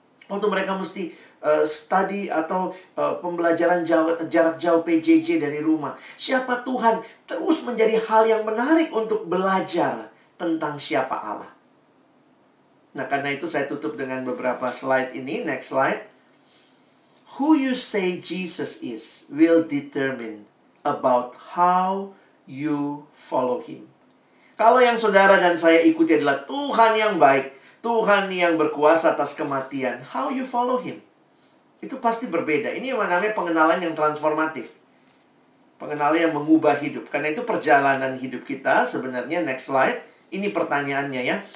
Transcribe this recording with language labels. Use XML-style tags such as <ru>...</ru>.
<id>Waktu mereka mesti study atau pembelajaran jarak jauh PJJ dari rumah. Siapa Tuhan terus menjadi hal yang menarik untuk belajar tentang siapa Allah. Nah, karena itu saya tutup dengan beberapa slide ini.</id> <en>Next slide. Who you say Jesus is will determine about how you follow him.</en> <id>Kalau yang saudara dan saya ikuti adalah Tuhan yang baik, Tuhan yang berkuasa atas kematian,</id> <en>how you follow him,</en> <id>itu pasti berbeda. Ini yang namanya pengenalan yang transformatif. Pengenalan yang mengubah hidup. Karena itu perjalanan hidup kita sebenarnya,</id> <en>next slide,</en> <id>ini pertanyaannya ya.</id>